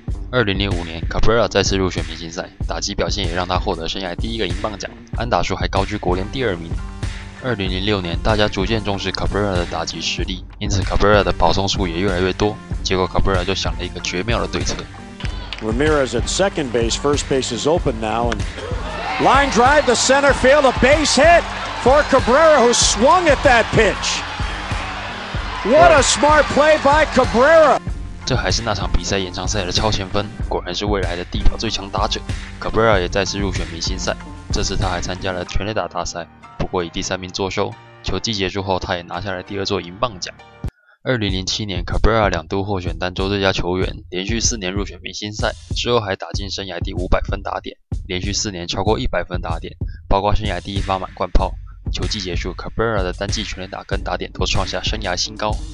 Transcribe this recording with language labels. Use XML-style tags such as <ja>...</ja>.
<zh>2005年 ，Cabrera 再次入选明星赛，打击表现也让他获得生涯第一个银棒奖，安打数还高居国联第二名。 2006年，大家逐渐重视 Cabrera 的打击实力，因此 Cabrera 的保送数也越来越多。结果 Cabrera 就想了一个绝妙的对策。</zh> <en>Ramirez at second base, first base is open now, and line drive to center field, a base hit for Cabrera who swung at that pitch. What a smart play by Cabrera!</en> <zh>这还是那场比赛延长赛的超前分，果然是未来的地表最强打者。 Cabrera 也再次入选明星赛，这次他还参加了全垒打大赛，不过以第三名作收。球季结束后，他也拿下了第二座银棒奖。2007年 ，Cabrera 两度获选单周最佳球员，连续四年入选明星赛，之后还打进生涯第500分打点，连续四年超过100分打点，包括生涯第一发满贯炮。球季结束 ，Cabrera 的单季全垒打跟打点都创下生涯新高。</zh>